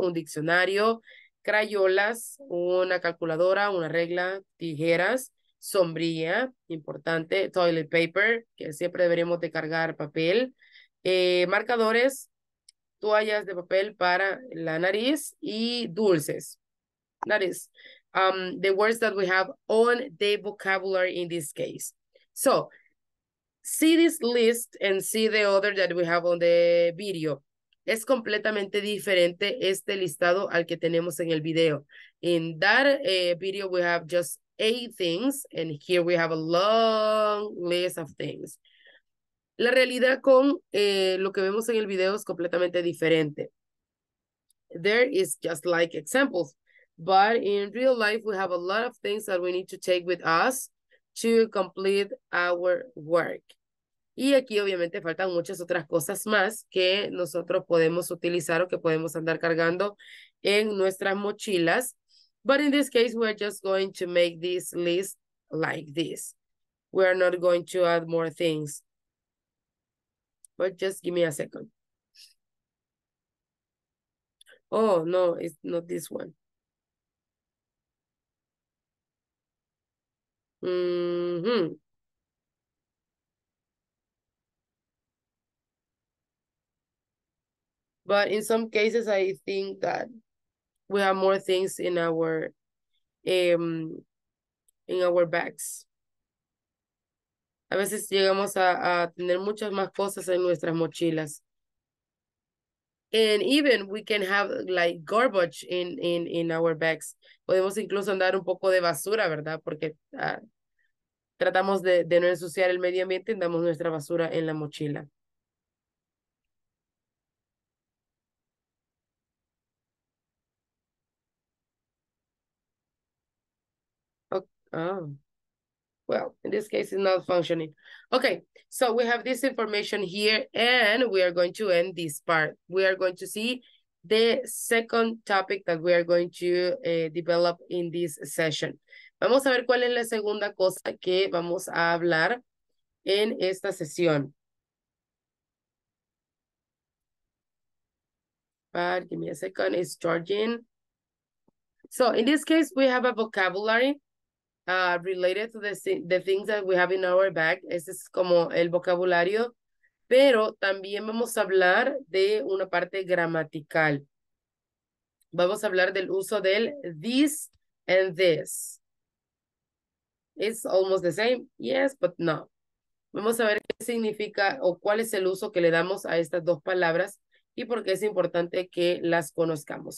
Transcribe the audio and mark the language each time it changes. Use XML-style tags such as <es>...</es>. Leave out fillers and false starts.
<es>Un diccionario. Crayolas, una calculadora, una regla, tijeras. Sombrilla, importante.</es> <en>Toilet paper,</en> <es>que siempre deberíamos de cargar papel. Marcadores, toallas de papel para la nariz y dulces.</es> <en>That is the words that we have on the vocabulary in this case. So, see this list and see the other that we have on the video.</en> <es>Es completamente diferente este listado al que tenemos en el video.</es> <en>In that video, we have just 8 things, and here we have a long list of things.</en> <es>La realidad con lo que vemos en el video es completamente diferente.</es> <en>There is just like examples. But in real life, we have a lot of things that we need to take with us to complete our work.</en> <es>Y aquí obviamente faltan muchas otras cosas más que nosotros podemos utilizar o que podemos andar cargando en nuestras mochilas.</es> <en>But in this case, we're just going to make this list like this. We're not going to add more things. But just give me a second. Oh, no, it's not this one. Mm-hmm. But in some cases, I think that we have more things in our bags.</en> <es>A veces llegamos a tener muchas más cosas en nuestras mochilas.</es> <en>And even we can have like garbage in our bags.</en> <es>Podemos incluso andar un poco de basura, ¿verdad? Porque tratamos de no ensuciar el medio ambiente y andamos nuestra basura en la mochila.</es> <en>Oh, well, in this case, it's not functioning. Okay, so we have this information here, and we are going to end this part. We are going to see the second topic that we are going to develop in this session.</en> <es>Vamos a ver cuál es la segunda cosa que vamos a hablar en esta sesión.</es> <en>But give me a second, it's charging. So in this case, we have a vocabulary related to the things that we have in our bag.</en> <es>Ese es como el vocabulario, pero también vamos a hablar de una parte gramatical. Vamos a hablar del uso del this and this.</es> <en>It's almost the same, yes, but no.</en> <es>Vamos a ver qué significa o cuál es el uso que le damos a estas dos palabras y por qué es importante que las conozcamos.</es>